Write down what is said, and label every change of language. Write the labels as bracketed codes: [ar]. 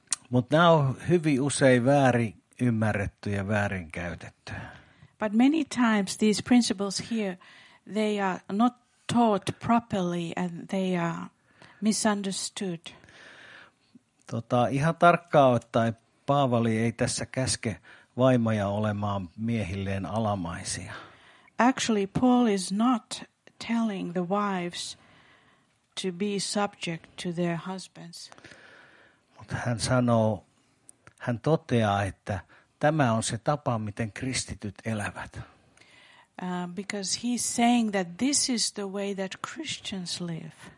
[fi] Mut nämä on hyvin usein väärin ymmärretty ja väärin käytetty. [en] But many times these principles here, they are not taught properly and they are misunderstood. [fi] Ihan tarkkaan ottaen Paavali ei tässä käske vaimoja olemaan miehilleen alamaisia. [en] Actually, Paul is not telling the wives to be subject to their husbands. [fi] Mutta hän sanoo, hän toteaa, että tämä on se tapa, miten kristityt elävät. [en] Because he's saying that this is the way that Christians live.